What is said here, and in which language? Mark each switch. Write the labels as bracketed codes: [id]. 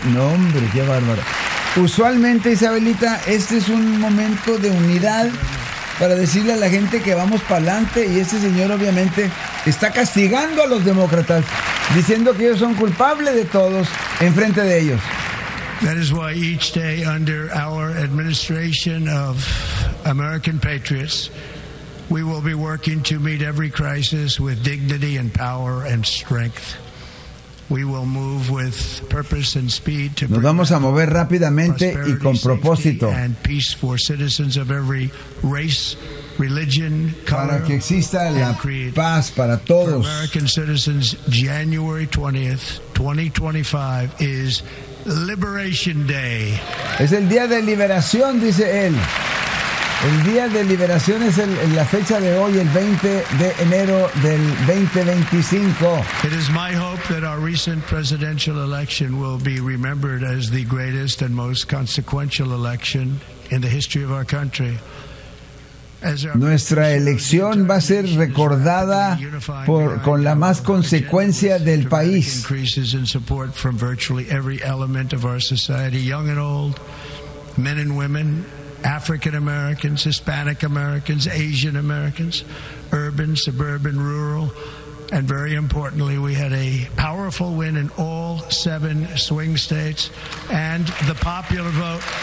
[es] No, hombre, qué bárbaro. Usualmente, Isabelita, este es un momento de unidad para decirle a la gente que vamos para adelante, y este señor obviamente está castigando a los demócratas, diciendo que ellos son culpables de todos en frente de ellos. [en] That is why each day under our administration of American patriots, we will be working to meet every crisis with dignity and power and strength. We will move with purpose and speed to. [es] Nos vamos a mover rápidamente y con propósito. [en] And peace for citizens of every race, religion, [es] para que exista la paz para todos. [en] For American citizens, January 20th, 2025 is Liberation Day. [es] Es el día de liberación, dice él. El día de liberación es la fecha de hoy, el 20 de enero del 2025. [en] It is my hope that our recent presidential election will be remembered as the greatest and most consequential election in the history of our country. [es] Nuestra elección va a ser recordada con la más consecuencia del país. [en] Increases in support from virtually every element of our society, young and old, men and women, African Americans, Hispanic Americans, Asian Americans, urban, suburban, rural, and very importantly, we had a powerful win in all seven swing states and the popular vote.